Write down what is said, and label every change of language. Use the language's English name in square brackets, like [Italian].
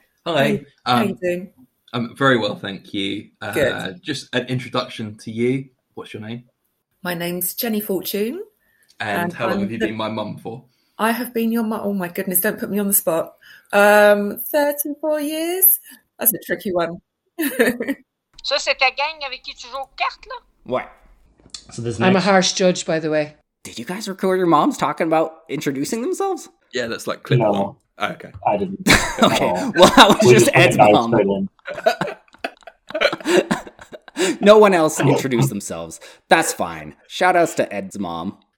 [English] Hi. How are you doing? I'm very well, thank you. Good. Just an introduction to you. What's your name? My name's Jenny Fortune. And how long have you been my mum for? I have been your mum. Oh my goodness, don't put me on the spot. 34 years? That's a tricky one. [French] Ça, c'est ta gang avec qui tu joues aux cartes, là? Ouais. [English] So this next... I'm a harsh judge, by the way. Did you guys record your moms talking about introducing themselves? Yeah, that's like clip one. Oh, okay. I didn't. Okay. Well, that was just Ed's mom. No one else introduced themselves. That's fine. Shout outs to Ed's mom.